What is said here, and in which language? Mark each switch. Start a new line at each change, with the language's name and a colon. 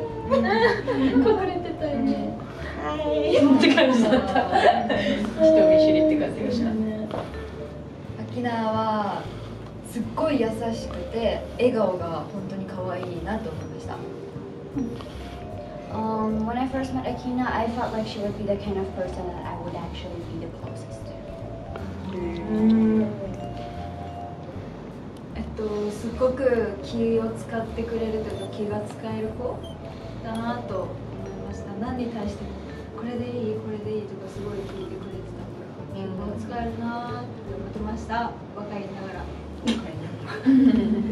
Japanese: Hi、隠れてたよね。って感じだった。人見知りって感じがした。アキナはすっごい優しくて、笑顔が本当に可愛いなと思いました。
English: When I first met Akina, I felt like she would be the kind of person that I would actually be the closest to.
Japanese: すっごく気を使ってくれるというか、気が使える子だなと思いました。何に対しても。これでいい、これでいいとかすごい聞いてくれてたから、気を使えるなって思ってました。若いながら。